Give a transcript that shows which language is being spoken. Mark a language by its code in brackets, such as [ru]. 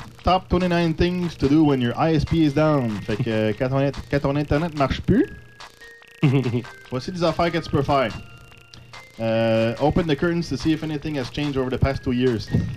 [en] Top 29 things to do when your ISP is down. [fr] Fait que quand ton internet marche plus, voici des affaires que tu peux faire. [en] Open the curtains to see if anything has changed over the past 2 years.